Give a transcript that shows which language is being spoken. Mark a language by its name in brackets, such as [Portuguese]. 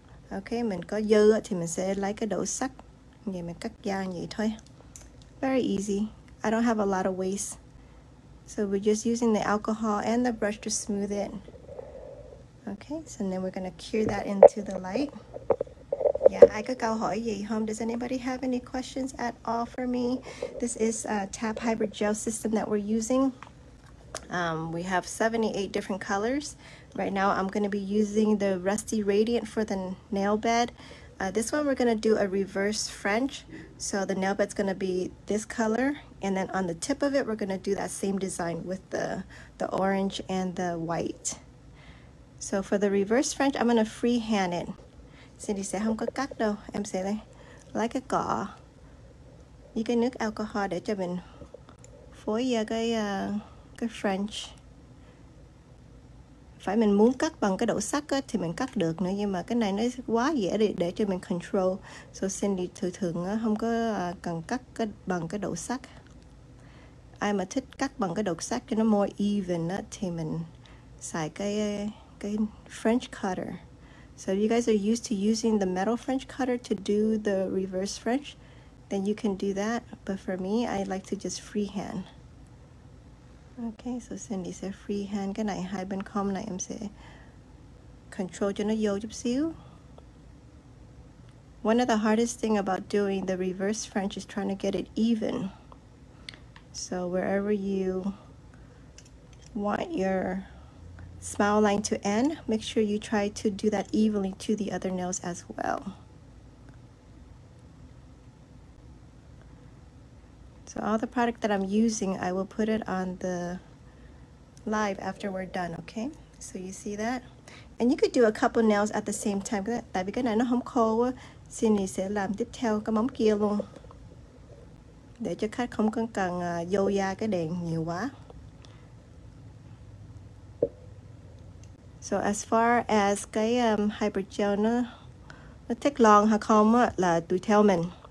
[Vietnamese] Ok, mình có dư thì mình sẽ lấy cái đổ sắt vậy mình cắt da vậy thôi. [English] Very easy. I don't have a lot of waste. So we're just using the alcohol and the brush to smooth it. Okay, so then we're going to cure that into the light. Yeah, I could go [Vietnamese] hỏi gì không? [English] Does anybody have any questions at all for me? This is a T.A.P. hybrid gel system that we're using. We have 78 different colors. Right now, I'm going to be using the Rusty Radiant for the nail bed. This one, we're going to do a reverse French. So the nail bed's going to be this color. And then on the tip of it, we're going to do that same design with the orange and the white. So for the reverse French, I'm gonna freehand it. [Vietnamese] Cindy sẽ không có cắt đâu. Em sẽ lấy cái cỏ với cái nước alcohol để cho mình phối ra cái French. Phải mình muốn cắt bằng cái đổ sắt á, thì mình cắt được nữa. Nhưng mà cái này nó quá dễ để cho mình control. So Cindy thường á, không có cần cắt bằng cái đổ sắt. Ai mà thích cắt bằng cái đổ sắt cho nó [English] more even [Vietnamese] á, thì mình xài cái French cutter. [English] So if you guys are used to using the metal French cutter to do the reverse French, then you can do that. But for me, I like to just freehand. [Vietnamese] Okay, so Cindy sẽ freehand cái này. Hai bên com này em sẽ control cho nó vô chút xíu. [English] One of the hardest thing about doing the reverse French is trying to get it even. So wherever you want your smile line to end, make sure you try to do that evenly to the other nails as well. So all the product that I'm using, I will put it on the live after we're done, okay? So you see that? And you could do a couple nails at the same time. [Vietnamese] Tại vì cái này nó không khô, Cindy sẽ làm tiếp theo cái móng kia luôn. Để cho khách không cần vô da cái đèn nhiều quá. So [English] as far as [Vietnamese] cái hybrid gel nó [English] take long [Vietnamese] hay không là tùy theo mình.